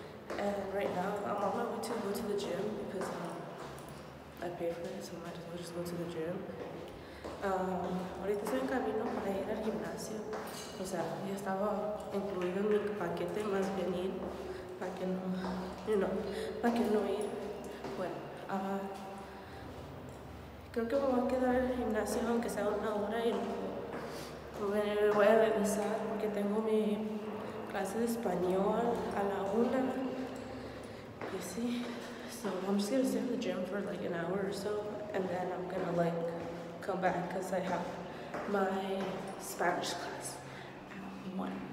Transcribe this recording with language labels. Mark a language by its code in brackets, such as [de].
[en] And right now, I'm on my way to go to the gym because I pay for it, so I might as well just go to the gym. [es] Ahorita estoy en camino para ir al gimnasio. O sea, ya estaba incluido en mi paquete más bien ir. Para que no, [en] you know, [es] para que no ir. Bueno, creo que me voy a quedar en el gimnasio aunque sea una hora y luego voy a regresar porque tengo mi clase de español a la una. Y sí, [en] so I'm just gonna stay in the gym for like an hour or so and then I'm gonna like come back because I have my Spanish class at 1.